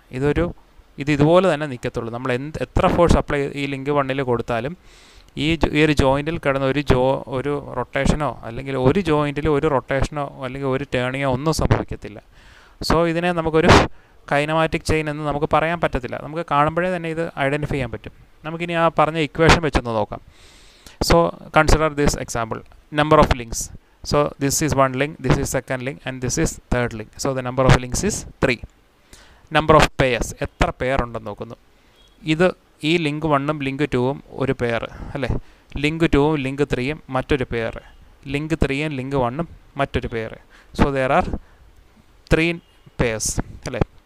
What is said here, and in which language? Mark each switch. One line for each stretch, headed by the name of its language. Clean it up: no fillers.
Malayalam: ഇതൊരു ഇത് ഇതുപോലെ തന്നെ നിൽക്കത്തുള്ളൂ. നമ്മൾ എത്ര ഫോഴ്സ് അപ്ലൈ ഈ ലിങ്ക് വണ്ണിൽ കൊടുത്താലും ഈ ഒരു ജോയിൻറ്റിൽ കിടന്ന ഒരു റൊട്ടേഷനോ അല്ലെങ്കിൽ ഒരു ജോയിൻറ്റിൽ ഒരു റൊട്ടേഷനോ അല്ലെങ്കിൽ ഒരു ടേണിങ്ങോ ഒന്നും സംഭവിക്കത്തില്ല. സോ ഇതിനെ നമുക്കൊരു കൈനമാറ്റിക് ചെയിൻ എന്ന് നമുക്ക് പറയാൻ പറ്റത്തില്ല. നമുക്ക് കാണുമ്പോഴേ തന്നെ ഇത് ഐഡൻറ്റിഫൈ ചെയ്യാൻ പറ്റും. നമുക്കിനി ആ പറഞ്ഞ ഇക്വേഷൻ വെച്ചൊന്ന് നോക്കാം.
English: So consider this example number of links. So this is one link, this is second link and this is third link. So the number of links is 3. Number of pairs,
Malayalam: എത്ര pair ഉണ്ടെന്ന് നോക്കുന്നു. ഇത് ഈ link വണ്ണും link ടുവും ഒരു pair അല്ലേ. Link ടുവും ലിങ്ക് ത്രീയും മറ്റൊരു പെയർ. ലിങ്ക് ത്രീയും ലിങ്ക് വണ്ണും മറ്റൊരു pair.
English: so there are three pairs
Malayalam: അല്ലേ.